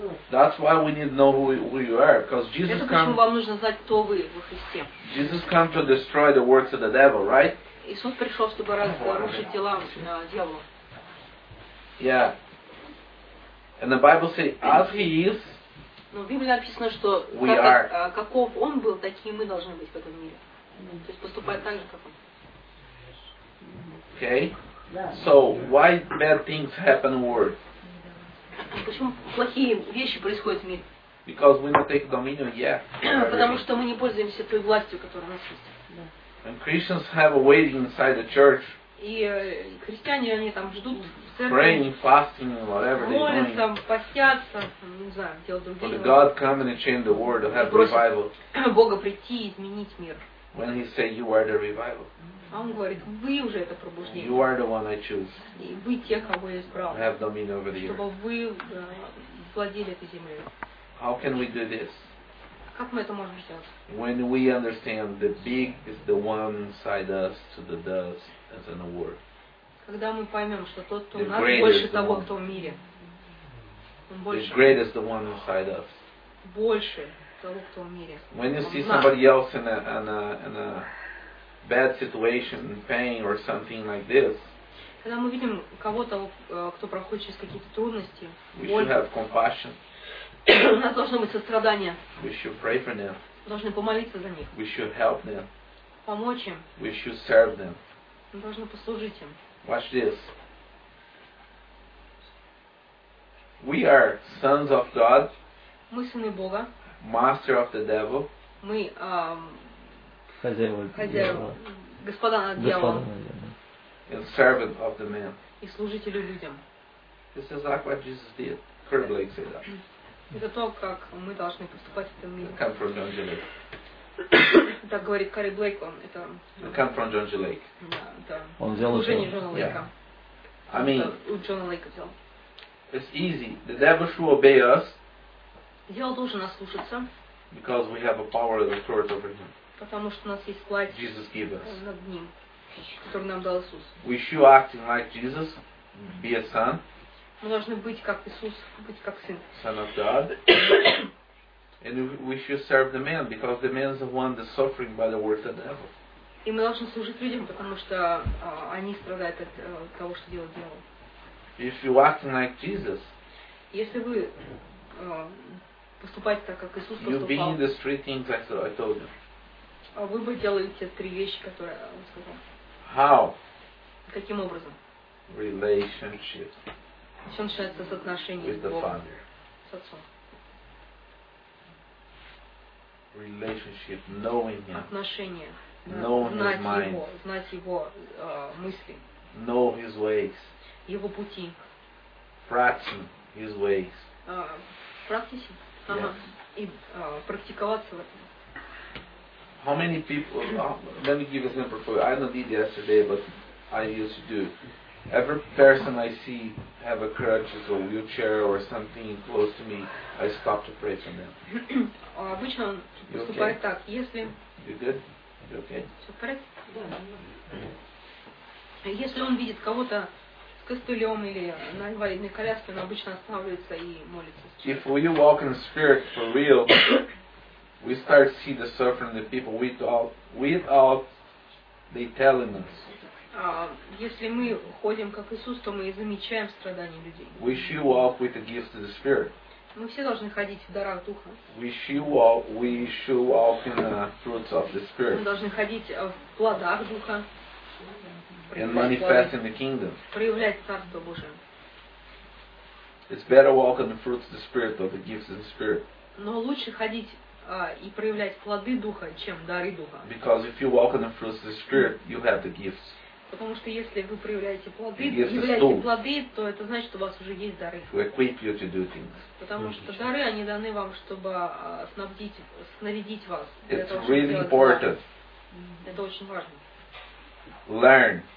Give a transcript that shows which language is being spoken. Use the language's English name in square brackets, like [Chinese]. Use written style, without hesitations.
[English] That's why we need to know who you are, because Jesus came. [Russian] Это почему вам нужно знать, кто вы во Христе. [English] Jesus came to destroy the works of the devil, right? [Russian] Иисус пришел, чтобы разрушить дела дьявола. [English] Yeah. And the Bible says, as he is. [Russian] Но в Библии написано, что каков он был, такие мы должны быть в этом мире. То есть поступать так же, как он. [English] Okay. So why bad things happen in the world? [Russian] Почему плохие вещи происходят в мире? [English] Because we don't take dominion yet. [Russian] Потому что мы не пользуемся той властью, которая у нас есть. [English] And Christians have a waiting inside the church. [Russian] И христиане, они там ждут в церкви. [English] Praying, fasting, whatever they're doing. [Russian] Молятся, постятся, не знаю, делать другие. [English] But God come and change the world, have revival. [Russian] Бога прийти и изменить мир. [English] When He say you are the revival. [Russian] А он говорит, вы уже это пробуждение. [English] You are the one I choose. [Russian] И вы те, кого я избрал. [English] Have dominion over the earth. [Russian] Чтобы вы владели этой землей. [English] How can we do this? [Russian] Как мы это можем сделать? [English] When we understand the big is the one inside us to the dust. As in the word. [Russian] Когда мы поймем, что тот, кто у нас, больше того, кто в мире. Больше того, кто в мире. [English] When you see somebody else in a bad situation, in pain or something like this, [Russian] когда мы видим кого-то, кто проходит через какие-то трудности, боль, у нас должно быть сострадание. [English] We should pray for them. [Russian] Должны помолиться за них. [English] We should help them. [Russian] Помочь им. [English] We should serve them. [Russian] Мы должны послужить им. [English] Watch this. We are sons of God. Мы сыны Бога. Master of the devil. [Russian] Мы хозяева. Господа над дьяволом. [English] And servant of the man. [Russian] И служителю людям. [English] This is like what Jesus did. Kurt Blake said that. [Russian] Это то, как мы должны поступать в этом мире. [English] Come from John G. Lake. [Russian] Так говорит Кари Блейк, он это. [English] Come from John G. Lake. [Russian] Да, да. Служение Джона Лейка. [English] I mean. [Russian] У Джона Лейка взял. [English] It's easy. The devil should obey us. [Russian] Дьявол должен нас слушаться. [English] Because we have a power and authority over him. [Russian] Потому что у нас есть власть. [English] Jesus gave us. [Russian] Над ним. Который нам дал Иисус. [English] We should act like Jesus, be a son. [Russian] Мы должны быть как Иисус, быть как сын. [English] Son of God. And we should serve the man because the man is the one that's suffering by the words of the devil. [Russian] И мы должны служить людям, потому что они страдают от того, что делает дьявол. [English] If you act like Jesus. [Russian] Если вы поступаете так, как Иисус поступал. [English] You be in the three things I told you. [Russian] А вы бы делаете три вещи, которые он сказал. [English] How? [Russian] Каким образом? [English] Relationship. [Russian] Все начинается с отношений [English] with the Father. [Russian] С отцом. [English] Relationship, knowing him. [Russian] Отношения. [English] Knowing his mind. [Russian] Знать его мысли. [English] Know his ways. [Russian] Его пути. [English] Practicing his ways. Practicing. Yes. [Russian] И практиковаться в этом. [English] How many people, let me give a example for you. I don't did yesterday, but I used to do. Every person I see have a crutches or wheelchair or something close to me, I stop to pray for them. [Russian] Обычно он поступает так, если... [English] You good? You okay? [Russian] Все в порядке? Да. Если он видит кого-то с костылем или на инвалидной коляске, он обычно останавливается и молится. [English] If you walk in spirit for real, we start to see the suffering of the people without they telling us. [Russian] Если мы ходим как Иисус, то мы замечаем страдания людей. [English] We should walk with the gifts of the Spirit. [Russian] Мы все должны ходить в дарах Духа. [English] We should walk in the fruits of the Spirit. [Russian] Мы должны ходить в плодах Духа. [English] And manifesting the kingdom. [Russian] Проявлять Царство Божие. [English] It's better walk in the fruits of the Spirit than the gifts of the Spirit. [Russian] Но лучше ходить и проявлять плоды Духа, чем дары Духа. [English] Because if you walk in the fruits of the Spirit, you have the gifts. [Russian] Потому что если вы проявляете плоды, то это значит, что у вас уже есть дары. [English] To equip you to do things. [Russian] Потому что дары, они даны вам, чтобы снарядить вас. [English] It's really important. [Russian] Это очень важно. [English] Learn.